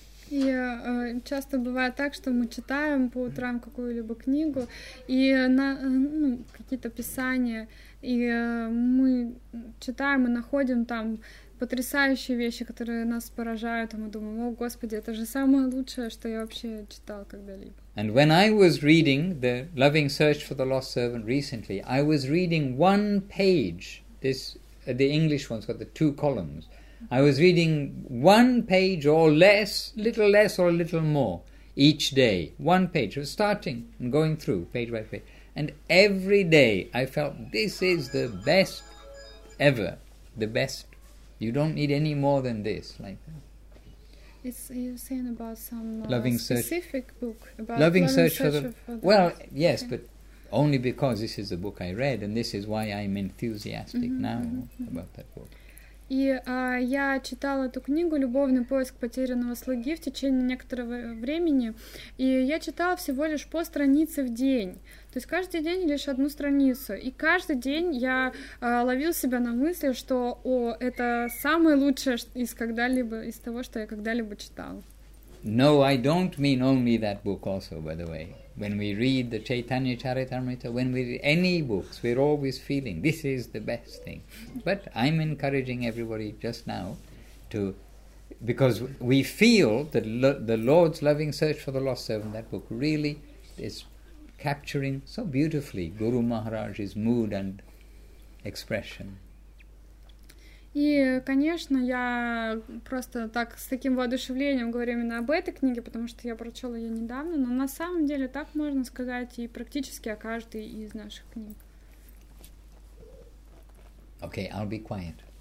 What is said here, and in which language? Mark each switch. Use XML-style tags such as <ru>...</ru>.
<ru>И часто бывает так, что мы читаем по утрам какую-либо книгу и какие-то писания, и мы читаем и находим там потрясающие вещи, которые нас поражают, и мы думаем, о, Господи, это же самое лучшее, что я вообще читал когда-либо.</ru> <en>And when I was reading the Loving Search for the Lost Servant recently, I was reading one page, the English one's got the two columns, I was reading one page or less or a little more each day, one page, starting and going through page by page, and every day I felt, this is the best ever, the best. You don't need any more than this, like that. You're saying about some loving specific search. Book. About loving search for the... yes, okay. But only because this is the book I read, and this is why I'm enthusiastic about that book.</en> <ru>И я читала эту книгу «Любовный поиск потерянного слуги» в течение некоторого времени, и я читала всего лишь по странице в день, то есть каждый день лишь одну страницу, и каждый день я ловил себя на мысли, что это самое лучшее из того, что я когда-либо читал.</ru> <en>No, I don't mean only that book also, by the way. When we read the Chaitanya Charitamrita, when we read any books, we're always feeling, this is the best thing. But I'm encouraging everybody just now to, because we feel that the Lord's Loving Search for the Lost Servant, that book, really is capturing so beautifully Guru Maharaj's mood and expression.</en> <ru>И, конечно, я просто так с таким воодушевлением говорю именно об этой книге, потому что я прочла ее недавно, но на самом деле так можно сказать и практически о каждой из наших книг.</ru> <en>Okay, I'll be quiet.</en>